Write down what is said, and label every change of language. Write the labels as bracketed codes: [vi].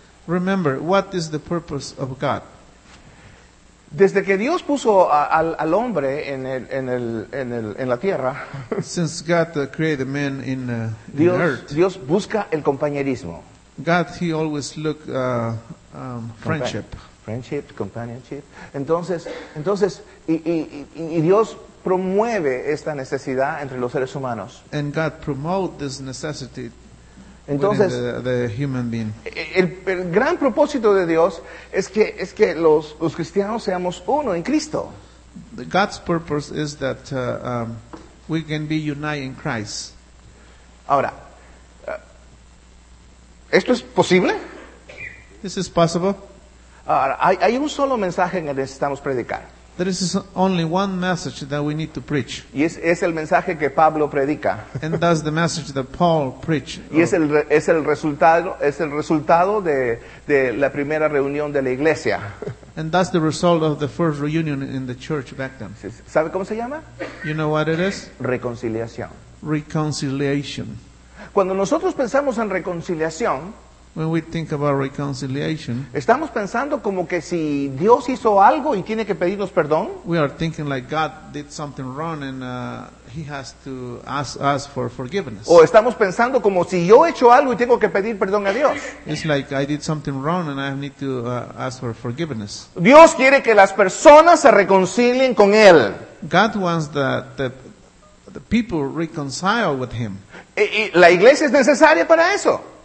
[en] Remember, what is the purpose of God? [es] Desde que Dios puso al hombre en la tierra, [en] since God created man in [es] Dios, [en] the earth, [es] Dios busca el compañerismo. [en] God, he always look friendship. Friendship, companionship. [es] Entonces, Dios promueve esta necesidad entre los seres humanos. [en] And God promote this necessity. [es] Entonces, [en] the human being. [es] El gran propósito de Dios es que los cristianos seamos uno en Cristo. [en] God's purpose is that we can be united in Christ. [es] Ahora, ¿esto es posible? [en] This is possible. [es] Ahora, hay un solo mensaje que necesitamos predicar. [en] There is only one message that we need to preach. [es] Y es el mensaje que Pablo predica. [en] And that's the message that Paul preached. [es] Y es el resultado de la primera reunión de la iglesia. [en] And that's the result of the first reunion in the church back then. [es] ¿Sabe cómo se llama? [en] You know what it is? [es] Reconciliación. [en] Reconciliation. [es] Cuando nosotros pensamos en reconciliación, [en] when we think about reconciliation, [es] estamos pensando como que si Dios hizo algo y tiene que pedirnos perdón. [en] We are thinking like God did something wrong and he has to ask us for forgiveness. [es] O estamos pensando como si yo he hecho algo y tengo que pedir perdón a Dios. [en] It's like I did something wrong and I need to ask for forgiveness. [es] Dios quiere que las personas se reconcilien con él. [en] God wants the people reconcile with him. [es] Y la iglesia es necesaria para eso.